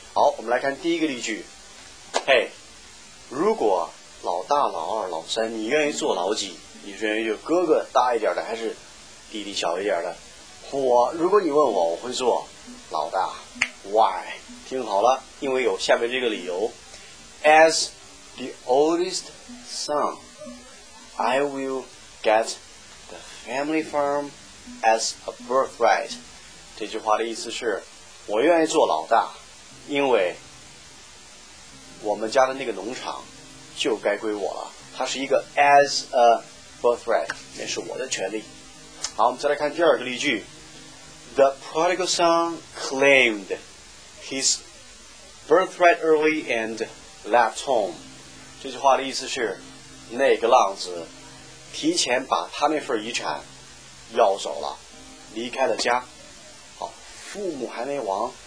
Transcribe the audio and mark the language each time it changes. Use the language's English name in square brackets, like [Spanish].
[Chinese] 好，我们来看第一个例句。Hey， 如果老大、老二、老三，你愿意做老几？你是愿意就哥哥大一点的，还是弟弟小一点的？我如果你问我，我会做老大。 [English] Why? [Chinese] 听好了，因为有下面这个理由。 [English] As the oldest son, I will get the family farm as a birthright. [Chinese] 这句话的意思是，我愿意做老大，因为我们家的那个农场就该归我了。它是一个 [English] as a birthright， [Chinese] 也是我的权利。好，我们再来看第二个例句。 [English] The prodigal son claimed his birthright early and left home. [Chinese] 这句话的意思是，那个浪子提前把他那份遗产要走了，离开了家。好，父母还没亡，